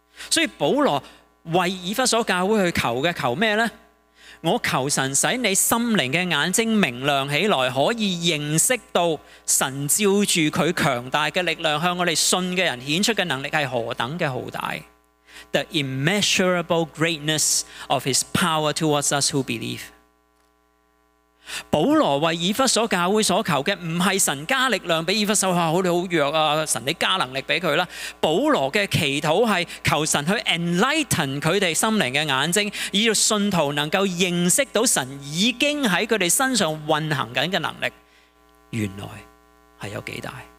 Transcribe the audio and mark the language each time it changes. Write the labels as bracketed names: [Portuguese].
[Chinese] 所以保罗为以弗所教会去求的，求什么呢？我求神使你心灵的眼睛明亮起来，可以认识到神照住祂强大的力量向我们信的人显出的能力是何等的浩大。 [English] The immeasurable greatness of his power towards us who believe。 [Chinese] 保罗为以弗所教会所求的不是神加力量给以弗所，说好你好弱啊，神你加能力给他啦。保罗的祈祷是求神去 [English] enlighten [Chinese] 他们心灵的眼睛，以致信徒能够认识到神已经在他们身上运行的能力原来是有多大。